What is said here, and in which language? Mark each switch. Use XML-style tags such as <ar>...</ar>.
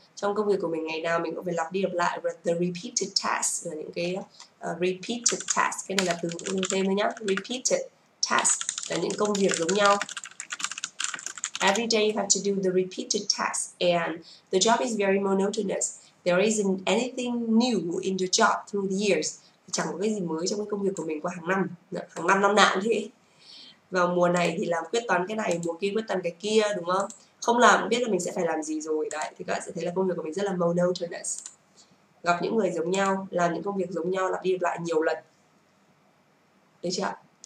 <vi>Trong công việc của mình ngày nào mình cũng phải lặp đi lặp lại the repeated task, là những cái repeated task. Cái này là từ cũng thêm thôi nhá. Repeated task là những công việc giống nhau.</vi> <en>Every day you have to do the repeated task and the job is very monotonous. There isn't anything new in your job through the years.</en> <vi>Chẳng có cái gì mới trong cái công việc của mình qua hàng năm. Hàng năm năm nào cũng thế. Vào mùa này thì làm quyết toán cái này, mùa kia quyết toán cái kia, đúng không? Không làm biết là mình sẽ phải làm gì rồi. Đấy, thì các bạn sẽ thấy là công việc của mình rất là monotonous. Gặp những người giống nhau, làm những công việc giống nhau, lặp đi lặp lại nhiều lần. Đấy chưa ạ?</vi>